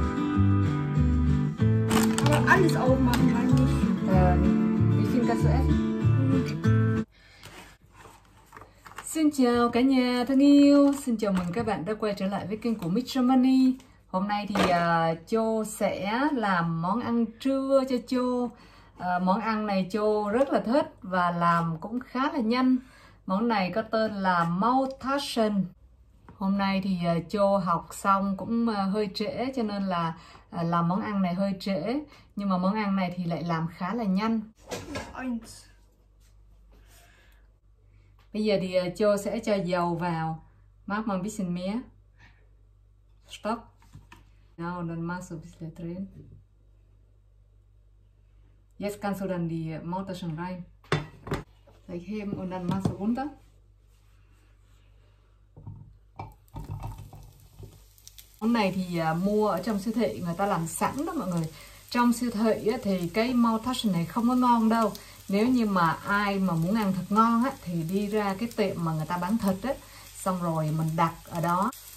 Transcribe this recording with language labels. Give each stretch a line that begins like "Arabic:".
German: soll alles aufmachen, meine ich. Wie viel kannst du essen?
Vietnamese: Xin chào cả nhà thân yêu, xin chào mừng các bạn đã quay trở lại với kênh của Mr. Money. Hôm nay thì Châu sẽ làm món ăn trưa cho Châu. Món ăn này Châu rất là thích và làm cũng khá là nhanh. Món này có tên là Maultaschen. Hôm nay thì Châu học xong cũng hơi trễ cho nên là làm món ăn này hơi trễ. Nhưng mà món ăn này thì lại làm khá là nhanh. Bây giờ thì Châu sẽ cho dầu vào.
German: Mach mal ein bisschen mehr. Stopp. Genau, und dann machst du ein bisschen drehen. Jetzt kannst du dann die Mutter schon rein. Gleich heben und dann machst du runter.
Vietnamese: Món này thì mua ở trong siêu thị người ta làm sẵn đó mọi người. Trong siêu thị thì cái Maultaschen này không có ngon đâu. Nếu như mà ai mà muốn ăn thật ngon á thì đi ra cái tiệm mà người ta bán thịt á, xong rồi mình đặt ở đó.